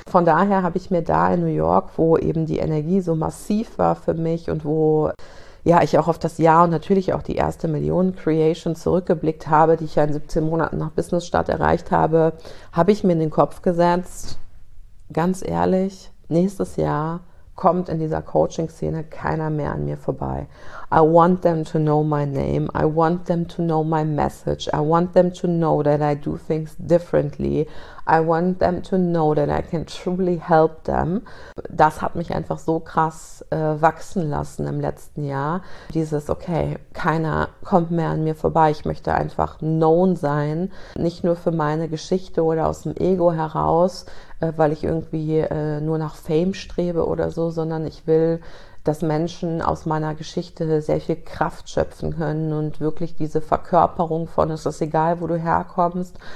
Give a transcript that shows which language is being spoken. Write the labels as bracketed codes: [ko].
[de] Von daher habe ich mir da in New York, wo eben die Energie so massiv war für mich und wo ja ich auch auf das Jahr und natürlich auch die erste Million Creation zurückgeblickt habe, die ich ja in 17 Monaten nach Businessstart erreicht habe, habe ich mir in den Kopf gesetzt, ganz ehrlich, nächstes Jahr kommt in dieser Coaching-Szene keiner mehr an mir vorbei. [en] I want them to know my name. I want them to know my message. I want them to know that I do things differently. I want them to know that I can truly help them. [de] Das hat mich einfach so krass wachsen lassen im letzten Jahr. Dieses, okay, keiner kommt mehr an mir vorbei. Ich möchte einfach known sein. Nicht nur für meine Geschichte oder aus dem Ego heraus, weil ich irgendwie nur nach Fame strebe oder so, sondern ich will, dass Menschen aus meiner Geschichte sehr viel Kraft schöpfen können und wirklich diese Verkörperung von, es ist egal, wo du herkommst,